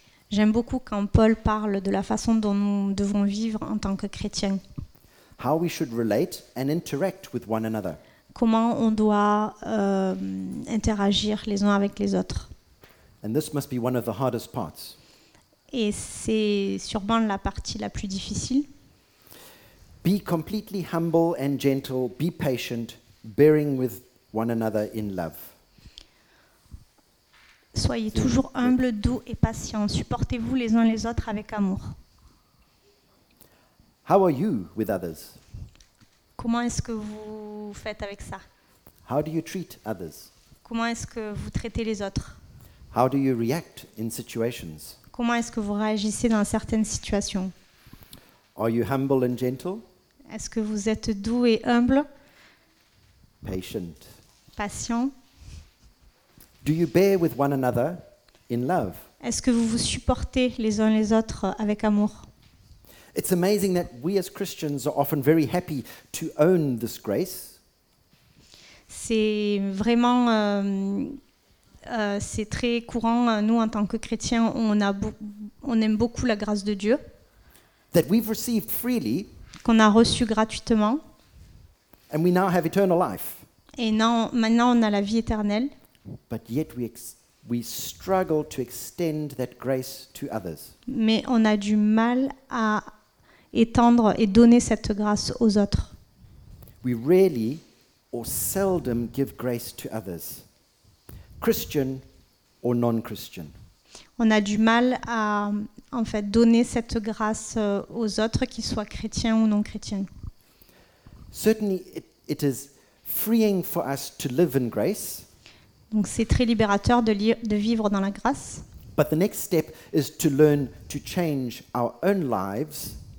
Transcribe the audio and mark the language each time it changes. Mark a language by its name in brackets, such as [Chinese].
[French] J'aime beaucoup quand Paul parle de la façon dont nous devons vivre en tant que chrétiens. [English] How we should relate and interact with one another. [French] Comment on doit interagir les uns avec les autres. [English] And this must be one of the hardest parts. [French] Et c'est sûrement la partie la plus difficile. [English] Be completely humble and gentle, be patient, bearing with one another in love. [French] Soyez toujours humble, doux et patient, supportez-vous les uns les autres avec amour. [English] How are you with others? [French] Comment est-ce que vous faites avec ça? [English] How do you treat others? [French] Comment est-ce que vous traitez les autres? [English] How do you react in situations? [French] Comment est-ce que vous réagissez dans certaines situations? [English] Are you humble and gentle? [French] Est-ce que vous êtes doux et humble? [English] Patient. [French] Patient. [English] Do you bear with one another in love? [French] Est-ce que vous vous supportez les uns les autres avec amour? [English] It's amazing that we as Christians are often very happy to own this grace. [French] C'est vraiment c'est très courant, nous en tant que chrétiens, on aime beaucoup la grâce de Dieu, [English] that we've received freely, [French] qu'on a reçue gratuitement, [English] and we now have eternal life. [French] Et non, maintenant on a la vie éternelle, [English] but yet we struggle to extend that grace to others. [French] Mais on a du mal à étendre et donner cette grâce aux autres. [English] We rarely or seldom give grace to others. Christian or non-Christian. [French] On a du mal à en fait donner cette grâce aux autres, qu'ils soient chrétiens ou non chrétiens. [English] Certainly, it is freeing for us to live in grace. [French] Donc c'est très libérateur de vivre dans la grâce. [English] But the next step is to learn to change our own lives.